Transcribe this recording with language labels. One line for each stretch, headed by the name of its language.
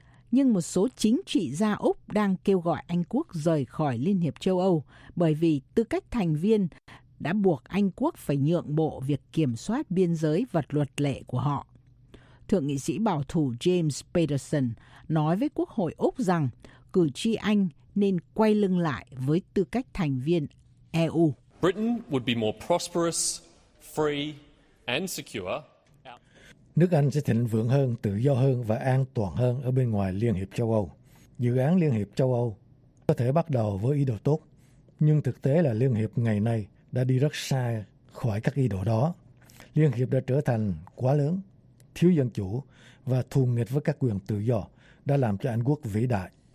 Vietnamese: Nhưng một số chính trị gia Úc đang kêu gọi Anh quốc rời khỏi Liên hiệp châu Âu bởi vì tư cách thành viên đã buộc Anh quốc phải nhượng bộ việc kiểm soát biên giới và luật lệ của họ. Thượng nghị sĩ bảo thủ James Paterson nói với Quốc hội Úc rằng cử tri Anh nên quay lưng lại với tư cách thành viên EU.
English: Britain would be more prosperous, free and secure.
Vietnamese: Nước Anh sẽ thịnh vượng hơn, tự do hơn và an toàn hơn ở bên ngoài Liên hiệp châu Âu. Dự án Liên hiệp châu Âu có thể bắt đầu với ý đồ tốt, nhưng thực tế là Liên hiệp ngày nay đã đi rất xa khỏi các ý đồ đó. Liên hiệp đã trở thành quá lớn, thiếu dân chủ và thù nghịch với các quyền tự do, đã làm cho Anh quốc vĩ đại.